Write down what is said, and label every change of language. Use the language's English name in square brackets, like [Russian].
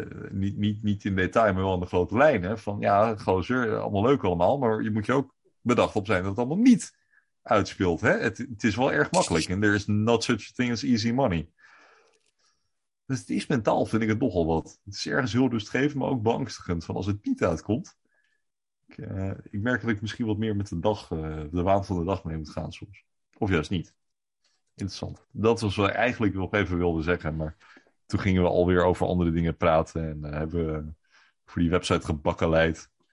[Dutch] Niet in detail, maar wel in de grote lijnen. Van ja, gozer, allemaal leuk allemaal, maar je moet je ook bedacht op zijn dat het allemaal niet uitspeelt. Hè? Het is wel erg makkelijk. [English] En there is not such a thing as easy money. [Dutch] Dus het is mentaal, vind ik het nogal wat. Het is ergens heel rustgevend, maar ook beangstigend. Van als het niet uitkomt, ik merk dat ik misschien wat meer met de dag, de waan van de dag mee moet gaan soms. Of juist niet. Interessant. Dat was wat ik eigenlijk nog even wilde zeggen, maar toen gingen we alweer over andere dingen praten en hebben we voor die website gebakkeleid.